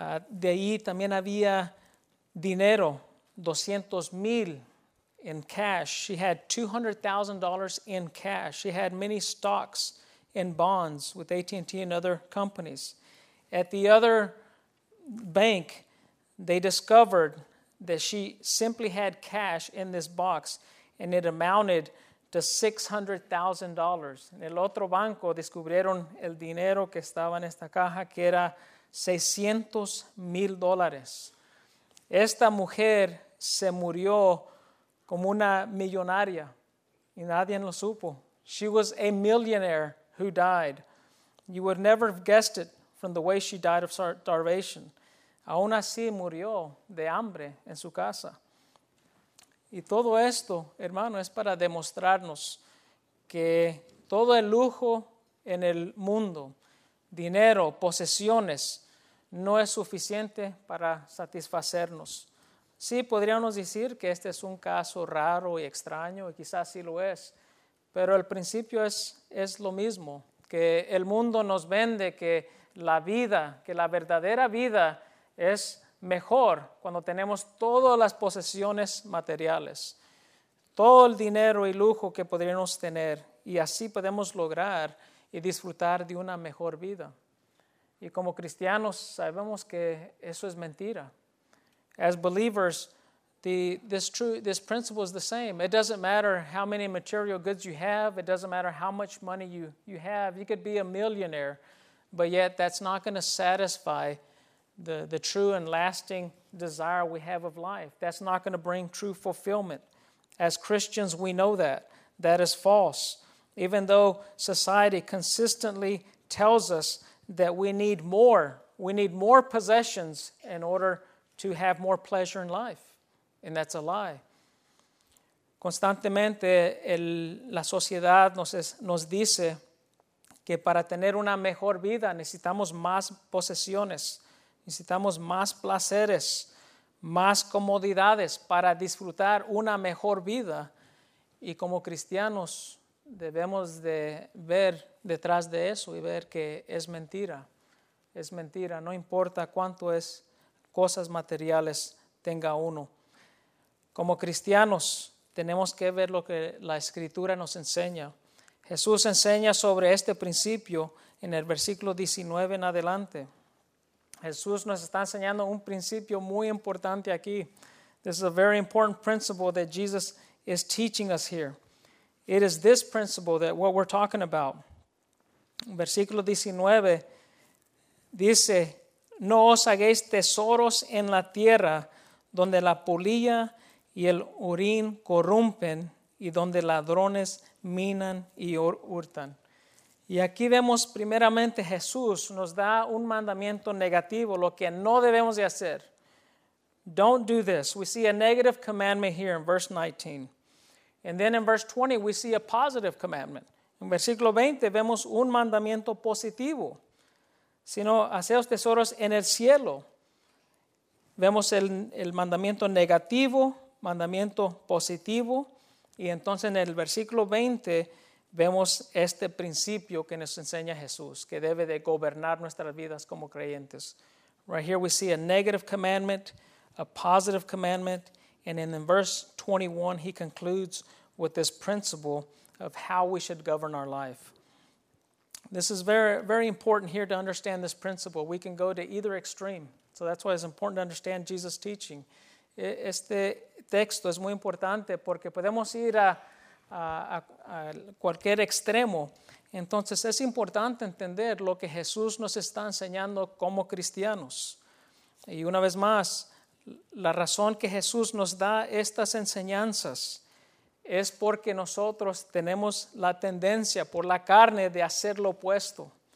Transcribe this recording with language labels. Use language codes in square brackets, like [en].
[es] De ahí también había dinero, 200,000 [en] in cash. She had $200,000 in cash. She had many stocks and bonds with AT&T and other companies. At the other bank, they discovered that she simply had cash in this box, and it amounted to $600,000. [es] En el otro banco descubrieron el dinero que estaba en esta caja, que era $600,000. Esta mujer se murió como una millonaria, y nadie lo supo. [en] She was a millionaire who died. You would never have guessed it from the way she died of starvation. [es] Aún así murió de hambre en su casa. Y todo esto, hermano, es para demostrarnos que todo el lujo en el mundo, dinero, posesiones, no es suficiente para satisfacernos. Sí, podríamos decir que este es un caso raro y extraño, y quizás sí lo es, pero el principio es lo mismo, que el mundo nos vende que la vida, que la verdadera vida es mejor cuando tenemos todas las posesiones materiales. todo el dinero y lujo que podríamos tener, y así podemos lograr y disfrutar de una mejor vida. Y como cristianos sabemos que eso es mentira. [en] As believers, this principle is the same. It doesn't matter how many material goods you have. It doesn't matter how much money you have. You could be a millionaire, but yet that's not going to satisfy the true and lasting desire we have of life. That's not going to bring true fulfillment. As Christians, we know that. That is false. Even though society consistently tells us that we need more possessions in order to have more pleasure in life. And that's a lie. [es] Constantemente, la sociedad nos dice que para tener una mejor vida necesitamos más posesiones, necesitamos más placeres, más comodidades para disfrutar una mejor vida. Y como cristianos debemos de ver detrás de eso y ver que es mentira. Es mentira, no importa cuánto es cosas materiales tenga uno. Como cristianos tenemos que ver lo que la Escritura nos enseña. Jesús enseña sobre este principio en el versículo 19 en adelante. Jesús nos está enseñando un principio muy importante aquí. [en] This is a very important principle that Jesus is teaching us here. It is this principle that what we're talking about. [es] Versículo 19 dice, no os hagáis tesoros en la tierra donde la polilla y el hurín corrompen y donde ladrones minan y hurtan. Y aquí vemos primeramente Jesús nos da un mandamiento negativo, lo que no debemos de hacer. [en] Don't do this. We see a negative commandment here in verse 19. And then in verse 20 we see a positive commandment. [es] En versículo 20 vemos un mandamiento positivo. Sino haceos tesoros en el cielo. Vemos el mandamiento negativo, mandamiento positivo. Y entonces en el versículo 20 vemos este principio que nos enseña Jesús, que debe de gobernar nuestras vidas como creyentes. [en] Right here we see a negative commandment, a positive commandment, and in verse 21 he concludes with this principle of how we should govern our life. This is very, very important here to understand this principle. We can go to either extreme. So that's why it's important to understand Jesus' teaching. [es] Este texto es muy importante porque podemos ir a cualquier extremo. Entonces es importante entender lo que Jesús nos está enseñando como cristianos. Y una vez más, la razón que Jesús nos da estas enseñanzas es porque nosotros tenemos la tendencia por la carne de hacer lo opuesto.